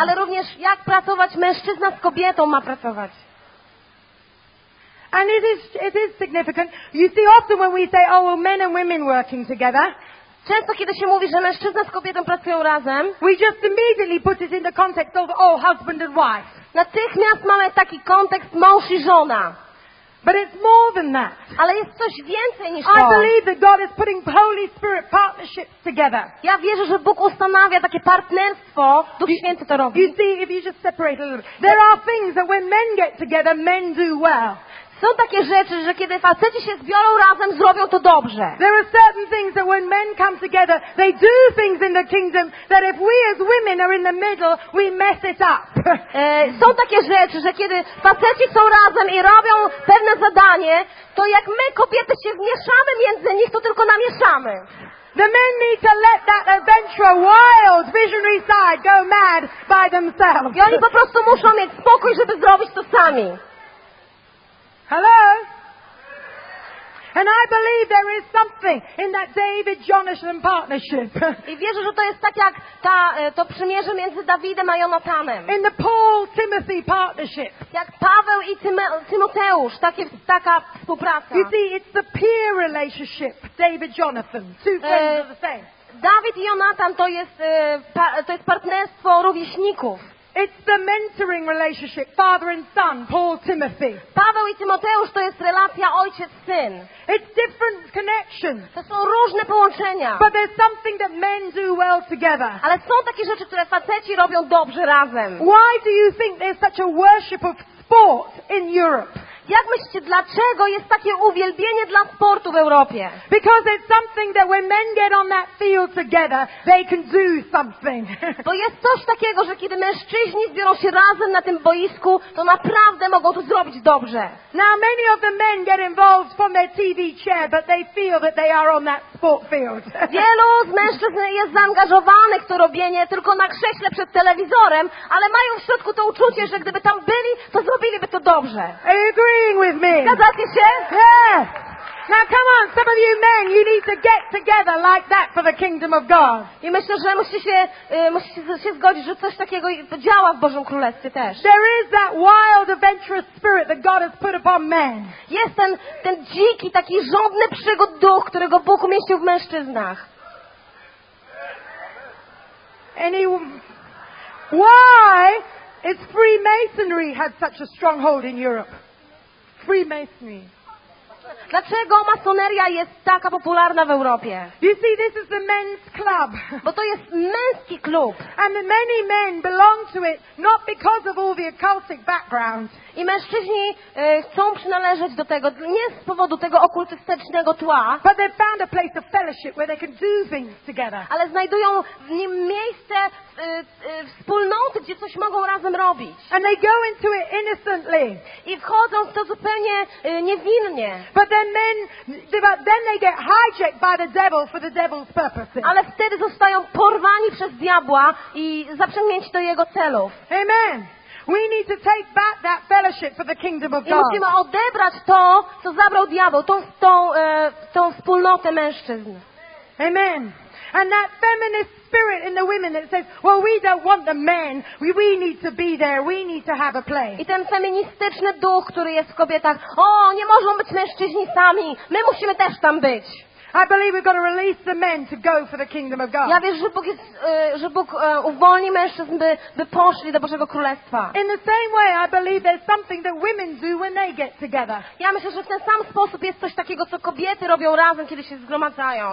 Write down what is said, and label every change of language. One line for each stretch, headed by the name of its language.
Polish: Ale również jak pracować mężczyzna z kobietą ma pracować.
English: And it is significant. You see, often when we say, "Oh, well, men and women working together,"
Polish: często kiedy się mówi, że mężczyzna z kobietą pracują razem,
English: we just immediately put it in the context of, "Oh, husband and wife."
Polish: Natychmiast mamy taki kontekst mąż i żona.
English: But it's more than that.
Polish: Ale jest coś więcej niż to.
English: I believe that God is putting Holy Spirit partnerships together.
Polish: Ja wierzę, że Bóg ustanawia takie partnerstwo. Duch Święty to robi.
English: You see, if you just separate a little bit, there are things that when men get together, men do well.
Polish: Są takie rzeczy, że kiedy faceci się zbiorą razem, zrobią to dobrze.
English: There are certain things that when men come together, they do things in the kingdom that if we as women are in the middle, we mess it up.
Polish: Są takie rzeczy, że kiedy faceci są razem i robią pewne zadanie, to jak my kobiety się zmieszamy między nich, to tylko namieszamy.
English: The men need to let that adventure, wild, visionary side go mad by themselves.
Polish: I oni po prostu muszą mieć spokój, żeby zrobić to sami.
English: Hello? And I believe there is something in that David-Jonathan partnership.
Polish: I wierzę, że to jest tak jak to przymierze między Dawidem a Jonatanem.
English: In the Paul-Timothy partnership.
Polish: Jak Paweł i Tymoteusz, taka współpraca.
English: You see, it's the peer relationship, David-Jonathan, two friends of the same.
Polish: Dawid i Jonatan to jest partnerstwo rówieśników.
English: It's the mentoring relationship, father and son, Paul Timothy.
Polish: Paweł i Tymoteusz to jest relacja ojciec-syn.
English: It's different connections.
Polish: To są różne połączenia.
English: But there's something that men do well together.
Polish: Ale są takie rzeczy, które faceci robią dobrze razem.
English: Why do you think there's such a worship of sport in Europe?
Polish: Jak myślicie, dlaczego jest takie uwielbienie dla sportu w Europie?
English: Because it's something that when men get on that field together, they can do something.
Polish: Bo jest coś takiego, że kiedy mężczyźni zbiorą się razem na tym boisku, to naprawdę mogą to zrobić dobrze.
English: Now many of the men get involved from their TV chair, but they feel that they are on that sport field.
Polish: Wielu z mężczyzn jest zaangażowanych w to robienie tylko na krześle przed telewizorem, ale mają w środku to uczucie, że gdyby tam byli, to zrobiliby to dobrze.
English: Agreeing with me.
Polish: Zgadzacie się?
English: Yes. Now come on, some of you men, you need to get together like that for the kingdom of God.
Polish: I myślę, że musicie się zgodzić, że coś takiego działa w Bożym Królestwie też.
English: There is that wild, adventurous spirit that God has put upon men.
Polish: Jest ten dziki, taki żądny przygód duch, którego Bóg umieścił w mężczyznach.
English: Why is Freemasonry had such a stronghold in Europe? Freemasonry.
Polish: Dlaczego masoneria jest taka popularna w Europie?
English: You see, this is the men's club.
Polish: Bo to jest męski klub.
English: And many men belong to it not because of all the occultic background.
Polish: I mężczyźni chcą przynależeć do tego nie z powodu tego okultystycznego tła.
English: But they found a place of fellowship where they can do things together.
Polish: Ale znajdują w nim miejsce wspólnoty, gdzie coś mogą razem robić.
English: And they go into it innocently.
Polish: I wchodzą w to zupełnie niewinnie.
English: But then they get hijacked by the devil for the devil's purposes.
Polish: Ale wtedy zostają porwani przez diabła i zaprzęgnięci do jego celów.
English: Amen. We need to take back that fellowship for the kingdom of God.
Polish: I musimy odebrać to, co zabrał diabeł, tą wspólnotę mężczyzn.
English: Amen. And that feminist spirit in the women that says, well, we don't want the men. We need to be there. We need to have a play.
Polish: I ten feministyczny duch, który jest w kobietach. O, nie mogą być mężczyźni sami. My musimy też tam być.
English: I believe we've got to release the men to go for the kingdom of God.
Polish: Ja wierzę, że Bóg uwolni mężczyzn, by poszli do Bożego Królestwa.
English: In the same way, I believe there's something that women do when they get together.
Polish: Ja myślę, że w ten sam sposób jest coś takiego, co kobiety robią razem, kiedy się zgromadzają.